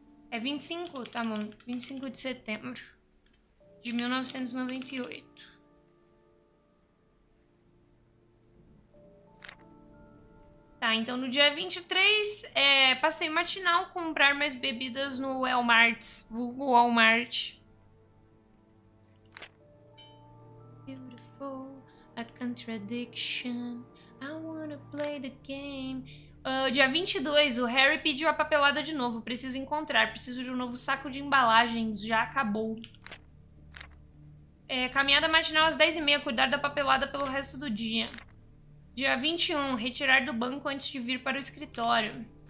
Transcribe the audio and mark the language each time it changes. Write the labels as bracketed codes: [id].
[pt] É 25? Tá bom. 25 de setembro de 1998. Tá, então no dia 23, passei matinal comprar mais bebidas no Walmart, vulgo Walmart. [en] Beautiful, a contradiction, I wanna play the game. [pt] Dia 22, o Harry pediu a papelada de novo, preciso encontrar, preciso de um novo saco de embalagens, já acabou. Caminhada matinal às 10h30, cuidar da papelada pelo resto do dia. Dia 21, retirar do banco antes de vir para o escritório.